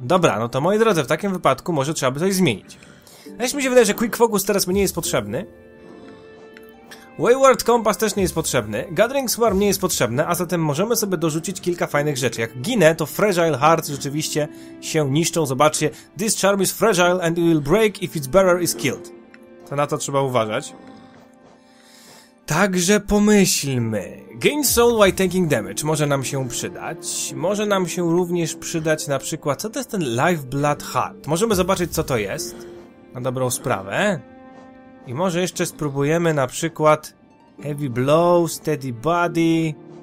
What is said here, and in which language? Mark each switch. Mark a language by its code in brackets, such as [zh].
[pl] Dobra, no to moi drodzy, w takim wypadku może trzeba by coś zmienić. Jeśli mi się wydaje, że Quick Focus teraz mnie nie jest potrzebny. Wayward Compass też nie jest potrzebny, Gathering Swarm nie jest potrzebne, a zatem możemy sobie dorzucić kilka fajnych rzeczy. Jak ginę, to Fragile Hearts rzeczywiście się niszczą, zobaczcie. [en] This charm is fragile and it will break if its bearer is killed. [pl] To na to trzeba uważać. Także pomyślmy. Gain Soul while taking damage może nam się przydać. Może nam się również przydać na przykład, co to jest ten Lifeblood Heart? Możemy zobaczyć co to jest, na dobrą sprawę. I może jeszcze spróbujemy na przykład Heavy Blow, Steady Body.